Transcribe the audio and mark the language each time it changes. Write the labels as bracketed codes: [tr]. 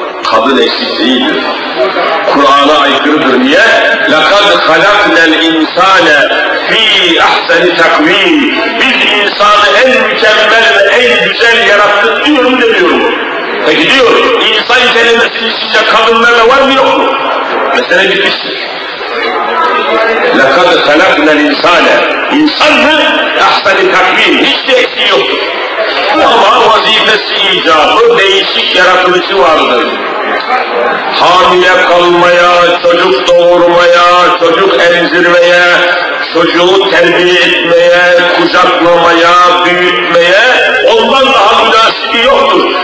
[tr] Kadın eksik değildir. Kur'an'a aykırıdır. Niye? [ar] لَقَدْ خَلَقْنَا الْاِنْسَانَ فِي اَحْسَنِ تَقْو۪يمِ [tr] Biz insanı en mükemmel ve en güzel yarattık diyor mu demiyorum. Peki diyor, insan kelimesinin içinde kadınlarla var mı yok mu? Mesele bitmiştir. [ar] لَقَدْ خَلَقْنَا الْاِنْسَانَ [tr] İnsan mı? [ar] اَحْسَنِ تَقْو۪يمِ [tr] Hiç de eksiği yoktur. Ama vazifesi icabı, değişik yaratılışı vardır. Hamile kalmaya, çocuk doğurmaya, çocuk emzirmeye, çocuğu terbiye etmeye, kucaklamaya, büyütmeye ondan daha münasibi yoktur.